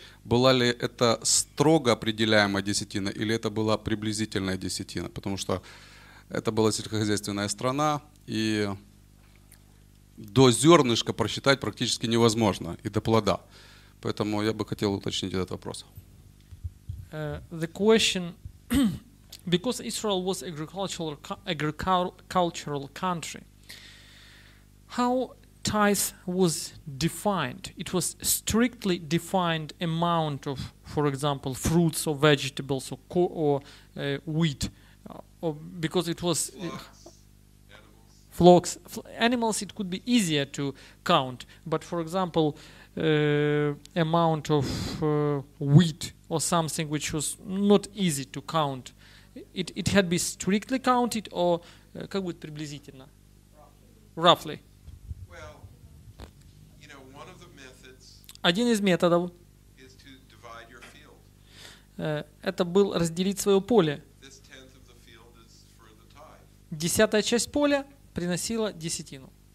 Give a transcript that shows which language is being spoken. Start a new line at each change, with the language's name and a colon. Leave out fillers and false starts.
Russian: Была ли это строго определяемая десятина, или это была приблизительная десятина? Потому что это была сельскохозяйственная страна, и до зернышка просчитать практически невозможно, и до плода. Поэтому я бы хотел уточнить этот вопрос.
English: The question, because Israel was agricultural country, how tithe was defined? It was strictly defined amount of, for example, fruits or vegetables or wheat, or because it was flocks. Animals, it could be easier to count, but for example, amount of wheat or something which was not easy to count, it had been strictly counted or
Russian: как будет приблизительно?
English: Roughly. Well, one of the methods.
Russian: Один из методов.
English: Is to divide your field.
Russian: Это был разделить свое поле.
English: This tenth of the field is for the tithe.
Russian: Десятая часть поля приносила десятину.